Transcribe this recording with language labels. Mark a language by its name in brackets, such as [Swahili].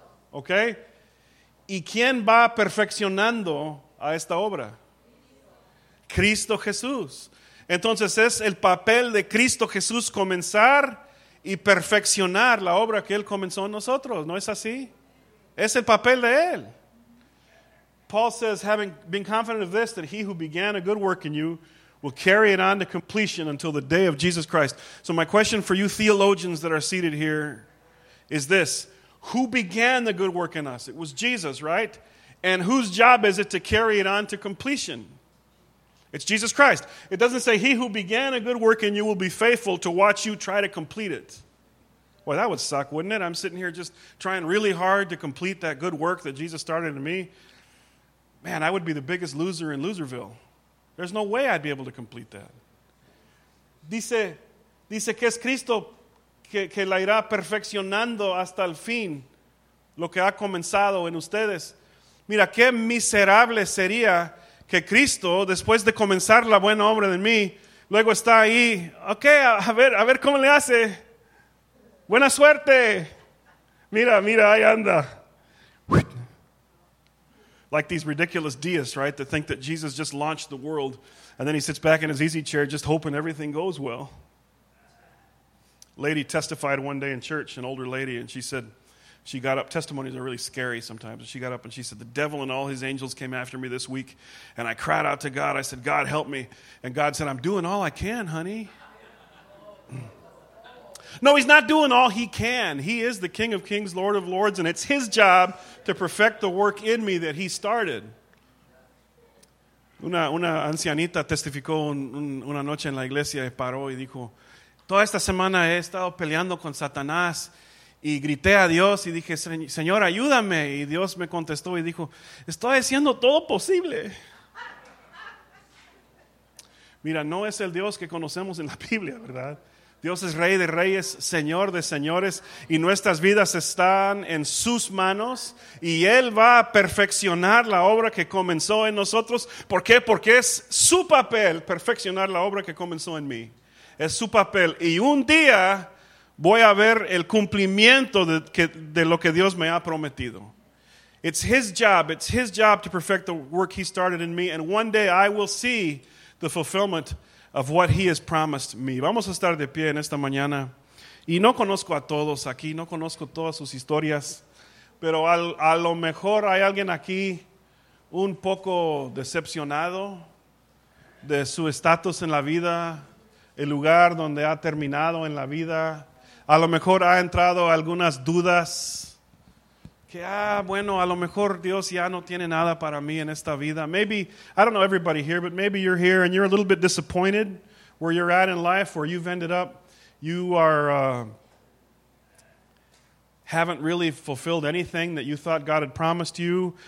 [Spanish] Ok. ¿Y quién va perfeccionando a esta obra? Cristo Jesús. Entonces es el papel de Cristo Jesús comenzar y perfeccionar la obra que Él comenzó en nosotros. ¿No es así? Es el papel de Él. [English] Paul says, having been confident of this, that he who began a good work in you will carry it on to completion until the day of Jesus Christ. So my question for you theologians that are seated here is this. Who began the good work in us? It was Jesus, right? And whose job is it to carry it on to completion? It's Jesus Christ. It doesn't say, he who began a good work in you will be faithful to watch you try to complete it. Boy, that would suck, wouldn't it? I'm sitting here just trying really hard to complete that good work that Jesus started in me. Man, I would be the biggest loser in Loserville. There's no way I'd be able to complete that. [Spanish] Dice que es Cristo que la irá perfeccionando hasta el fin lo que ha comenzado en ustedes. Mira, qué miserable sería que Cristo, después de comenzar la buena obra en mí, luego está ahí, ok, a ver cómo le hace. Buena suerte. Mira, ahí anda. [English] Like these ridiculous deists, right, that think that Jesus just launched the world and then he sits back in his easy chair just hoping everything goes well. Lady testified one day in church, an older lady, and she said, she got up, testimonies are really scary sometimes, and she got up and she said, the devil and all his angels came after me this week, and I cried out to God, I said, God, help me. And God said, I'm doing all I can, honey. No, he's not doing all he can. He is the King of Kings, Lord of Lords, and it's his job to perfect the work in me that he started. [Spanish] Una ancianita testificó una noche en la iglesia y paró y dijo, toda esta semana he estado peleando con Satanás y grité a Dios y dije, Señor, ayúdame. Y Dios me contestó y dijo, estoy haciendo todo posible. Mira, no es el Dios que conocemos en la Biblia, ¿verdad? Dios es Rey de Reyes, Señor de Señores, y nuestras vidas están en sus manos, y Él va a perfeccionar la obra que comenzó en nosotros. ¿Por qué? Porque es su papel perfeccionar la obra que comenzó en mí. Es su papel. Y un día voy a ver el cumplimiento de lo que Dios me ha prometido. [English] It's His job. It's His job to perfect the work He started in me, and one day I will see the fulfillment of what he has promised me. [Spanish] Vamos a estar de pie en esta mañana. Y no conozco a todos aquí, no conozco todas sus historias, pero a lo mejor hay alguien aquí un poco decepcionado de su estatus en la vida, el lugar donde ha terminado en la vida. A lo mejor ha entrado algunas dudas que, bueno, a lo mejor Dios ya no tiene nada para mí en esta vida. [English] Maybe, I don't know everybody here, but maybe you're here and you're a little bit disappointed where you're at in life, where you've ended up. You are haven't really fulfilled anything that you thought God had promised you.